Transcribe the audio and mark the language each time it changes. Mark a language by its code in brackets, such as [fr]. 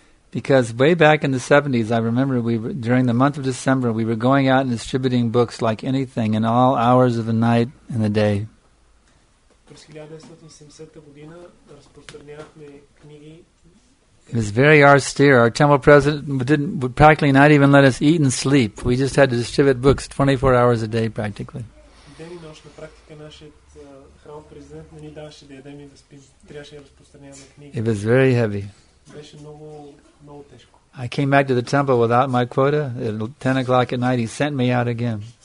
[en] Because way back in the 70s, I remember during the month of December, we were going out and distributing books like anything in all hours of the night and the day. [bg] през 1970 година разпространявахме книги. [en] It was very austere. Our temple president didn't practically not even let us eat and sleep. We just had to distribute books 24 hours a day practically. [bg] Ден и нощ на практика нашият храм президент не ни даваше да ядем и да спим. Трябваше да разпространяваме книги. [en] It was very heavy. [bg] Беше много, много тежко. [en] I came back to the temple without my quota. At 10 o'clock at night, he sent me out again.